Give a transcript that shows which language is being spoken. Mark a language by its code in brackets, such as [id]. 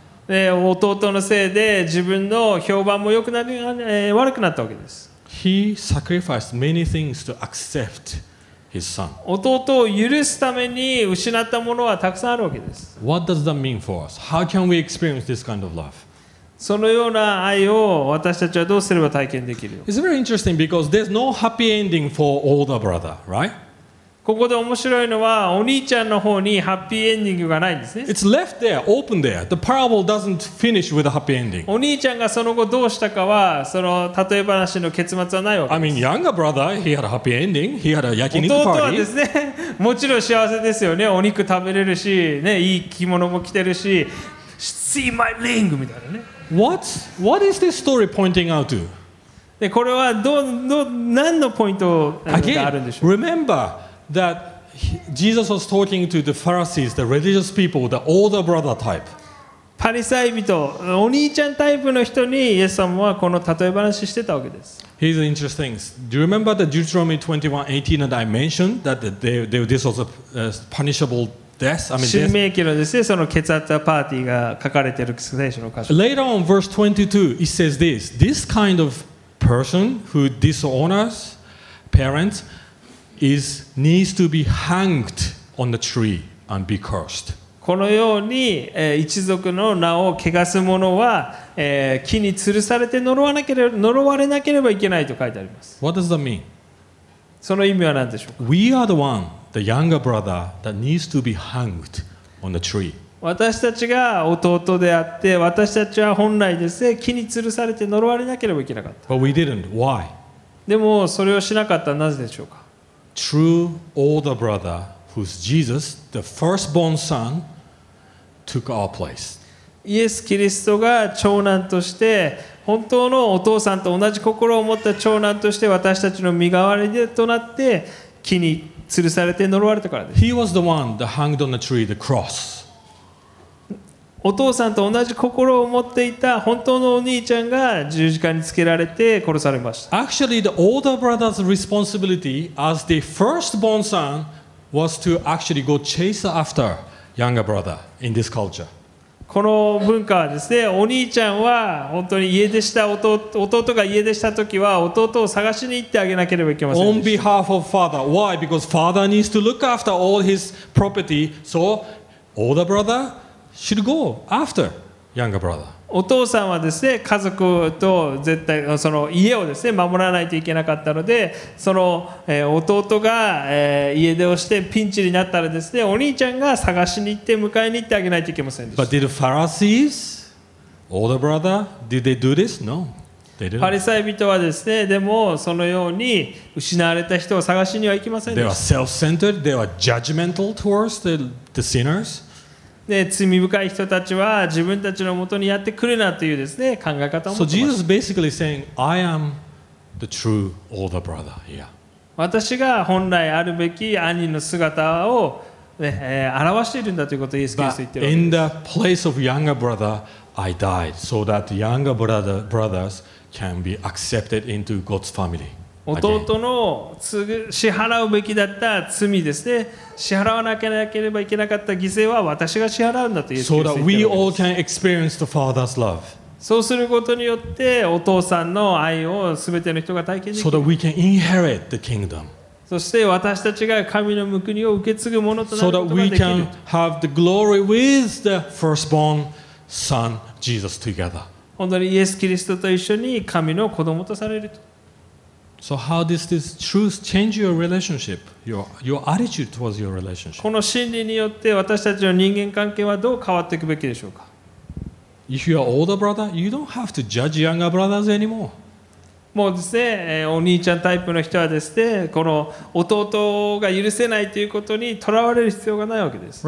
[ja] 弟のせいで自分の評判も良くなり、悪くなったわけです。 [en] He sacrificed many things to accept his son. [ja] 弟を許すために失ったものはたくさんあるわけです。 [en] What does that mean for us? How can we experience this kind of love? [ja] そのような愛を私たちはどうすれば体験できるのか。 [en] It's very interesting because there's no happy ending for older brother, right? [ja] ここで面白いのはお兄ちゃんの方にハッピーエンディングがないんですね。 [en] It's left there, open there. The parable doesn't finish with a happy ending. [ja] お兄ちゃんがその後どうしたかはその例え話の結末はないわけです。 [en] I mean, younger brother, he had a happy ending. He had a 焼き肉 party. [ja] 弟はですね、もちろん幸せですよね。お肉食べれるし、ね、いい着物も着てるし、 [en] See my ring [ja] みたいなね。 [en] What is this story pointing out to? [ja] でこれはど何のポイントがあるんでしょう。 [en] Again, remember. That Jesus was talking to the Pharisees, the religious people, the older brother type. [ja] パリサイ人、お兄ちゃんタイプの人にイエス様はこの例え話してたわけです。 [en] Here's an interesting thing. Do you remember the Deuteronomy 21:18 that I mentioned that this was a punishable death? I mean, [ja] 神明記のですね、その血圧パーティーが書かれている聖書の箇所。 [en] Later on, verse 22, it says this: This kind of person who dishonors parents. Is needs to be hanged on the tree and be cursed. [ja] このように、一族の名を汚す者は、木に吊るされて呪われなければいけないと書いてあります。 [en] What does that mean? [ja] その意味は何でしょうか? [en] We are the one, the younger brother, that needs to be hanged on the tree. [ja] 私たちが弟であって、私たちは本来ですね、木に吊るされて呪われなければいけなかった。 [en] But we didn't. Why? [ja] でもそれをしなかったなぜでしょうか? [en] True older brother, who's Jesus, the firstborn son, took our place. [ja] イエス・キリストが長男として、本当のお父さんと同じ心を持った長男として、私たちの身代わりとなって、木に吊るされて呪われたからです。 [en] He was the one that hanged on the tree, the cross. [ja] お父さんと同じ心を持っていた本当のお兄ちゃんが十字架につけられて殺されました。 [en] Actually, the older brother's responsibility as the firstborn son was to actually go chase after younger brother in this culture. [ja] この文化はですね、お兄ちゃんは本当に家出した弟が家出した時は弟を探しに行ってあげなければいけませんでした。 [en] On behalf of father, why? Because father needs to look after all his property. So, older brother. Should go after younger brother. [ja] お父さんはですね、家族と絶対その家をですね守らないといけなかったので、その、弟が、家出をしてピンチになったらですね、お兄ちゃんが探しに行って迎えに行ってあげないといけませんでした。 [en] But did the Pharisees, older brother, did they do this? No, they didn't. [ja] パリサイ人はですね、でもそのように失われた人を探しには行きませんでした。 [en] They were self-centered. They were judgmental towards the sinners. [ja] で罪深い人たちは自分たちのもとにやってくるなというですね考え方を持ってます。 [en] So Jesus is basically saying, I am the true older brother here. [ja] 私が本来あるべき兄の姿を、表しているんだということをイエス・キリスト言っているわけです。 [en] But in the place of younger brother, I died so that younger brothers can be accepted into God's family. [ja] 弟の支払うべきだった罪ですね。支払わなければいけなかった犠牲は私が支払うんだというそうだ。 [en] We all can experience the Father's love. [ja] そうすることによってお父さんの愛をすべての人が体験できる。 [en] So that we can inherit the kingdom. [ja] そして私たちが神の報いを受け継ぐものとなることができる。 [en] So that we can have the glory with the firstborn son, Jesus, together. [ja] 本当にイエス・キリストと一緒に神の子供とされると。 [en] So how does this truth change your relationship, your attitude towards your relationship? [ja] この真理によって私たちの人間関係はどう変わっていくべきでしょうか? [en] If you are older brother, you don't have to judge younger brothers anymore. [ja] もうですね、お兄ちゃんタイプの人はですね、この弟が許せないということにとらわれる必要がないわけです。